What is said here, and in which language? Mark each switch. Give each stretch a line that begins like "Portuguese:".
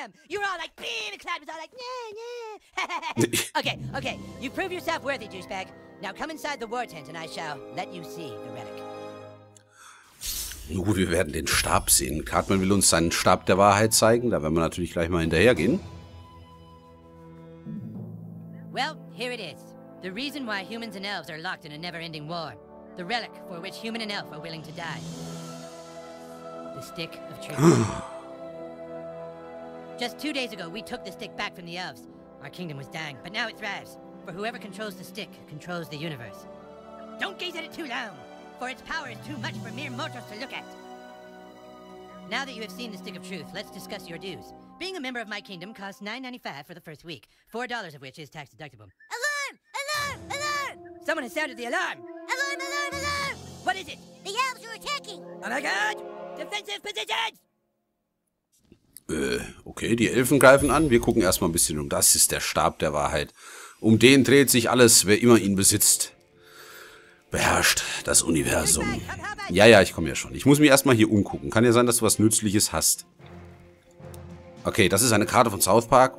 English: You were all like, beam, and Clyde was all like, nah, nah. Okay, okay, you prove yourself worthy, douchebag. Now come inside the war tent and I shall let you see the relic.
German: Nun, wir werden den Stab sehen. Cartman will uns seinen Stab der Wahrheit zeigen. Da werden wir natürlich gleich mal hinterhergehen.
English: Well, here it is. The reason why humans and elves are locked in a never-ending war. The relic for which human and elf are willing to die. The stick of truth. Just 2 days ago, we took the stick back from the elves. Our kingdom was dying, but now it thrives. For whoever controls the stick controls the universe. Don't gaze at it too long, for its power is too much for mere mortals to look at. Now that you have seen the stick of truth, let's discuss your dues. Being a member of my kingdom costs $9.95 for the first week, $4 of which is tax deductible. Alarm! Alarm! Alarm! Someone has sounded the alarm! Alarm! Alarm! Alarm! What is it? The elves are attacking! Oh my god! Defensive positions!
German: Okay, die Elfen greifen an. Wir gucken erstmal ein bisschen um. Das ist der Stab der Wahrheit. Um den dreht sich alles, wer immer ihn besitzt. Beherrscht das Universum. Ja, ja, ich komme ja schon. Ich muss mich erstmal hier umgucken. Kann ja sein, dass du was Nützliches hast. Okay, das ist eine Karte von South Park.